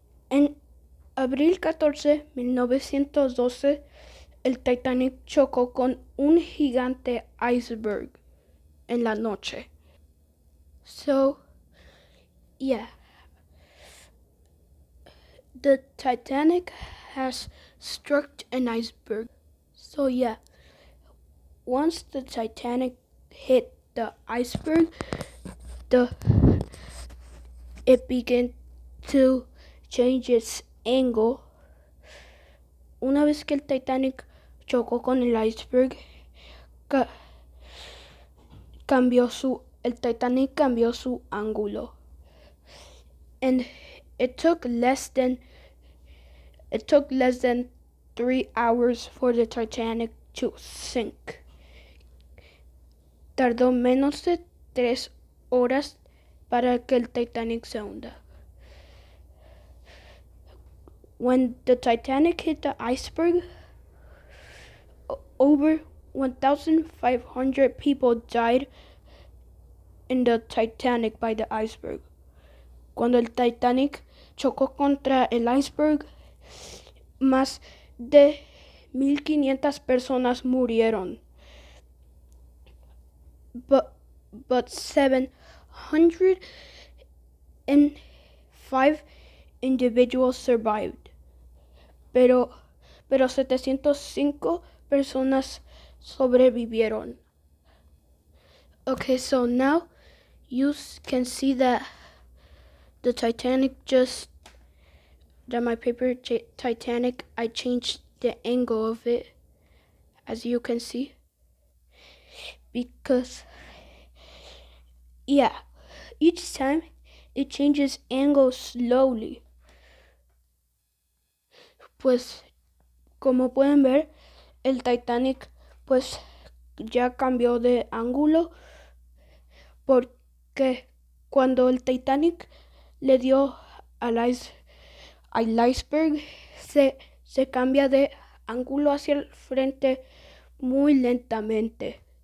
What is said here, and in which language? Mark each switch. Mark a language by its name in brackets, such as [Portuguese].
[Spanish] En abril 14, 1912, el Titanic chocó con un gigante iceberg en la noche. [English] So, yeah, the Titanic has struck an iceberg. So, yeah, once the Titanic hit the iceberg, it began to change its angle. [Spanish] Una vez que el Titanic chocó con el iceberg, el Titanic cambió su ángulo. [English] And it took less than 3 hours for the Titanic to sink. [Spanish] Tardó menos de 3 horas para que el Titanic se hunda. [English] When the Titanic hit the iceberg, over 1,500 people died in the Titanic by the iceberg. [Spanish] Cuando el Titanic chocó contra el iceberg, más de 1,500 personas murieron. [English] But 705 individuals survived. [Spanish] Pero pero 705 personas sobrevivieron. [English] Okay, so now you can see that the Titanic just, that my paper Titanic, I changed the angle of it, as you can see. Because, yeah, each time it changes angle slowly. [Spanish] Pues, como pueden ver, el Titanic, pues, ya cambió de ángulo. Porque cuando el Titanic le dio al iceberg, se cambia de ángulo hacia el frente muy lentamente.